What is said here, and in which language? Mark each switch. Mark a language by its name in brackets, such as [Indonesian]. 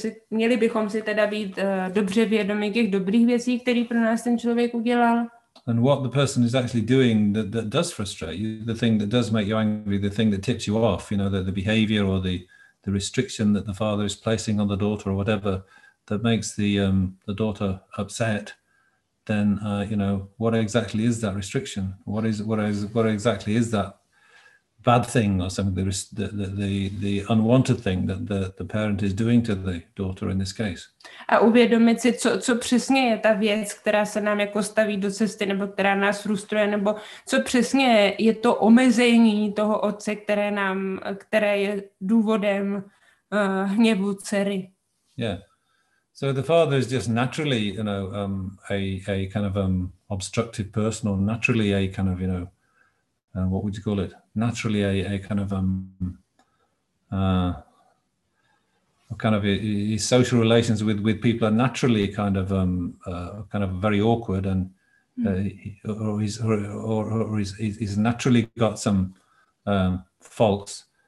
[Czech] Měli bychom si teda být dobře vědomi těch dobrých věcí, které pro nás ten člověk udělal. [English] And what the person is actually doing that does frustrate you, the thing that does make you angry, the thing that tips you off, you know, the behavior or the restriction that the father is placing on the daughter or whatever that makes the daughter upset, then you know, what exactly is that restriction? What exactly is that bad thing or something, the unwanted thing that the parent is doing to the daughter in this case. [Czech] A uvědomit si, co přesně je ta věc, která se nám jako staví do cesty, nebo která nás frustruje, nebo co přesně je to omezení toho otce, které je důvodem hněvu dcery. [English] Yeah. So the father is just naturally, you know, a kind of obstructive person, or naturally a kind of, you know, what would you call it? Naturally a kind of his social relations with people are naturally kind of very awkward, and he's naturally got some faults.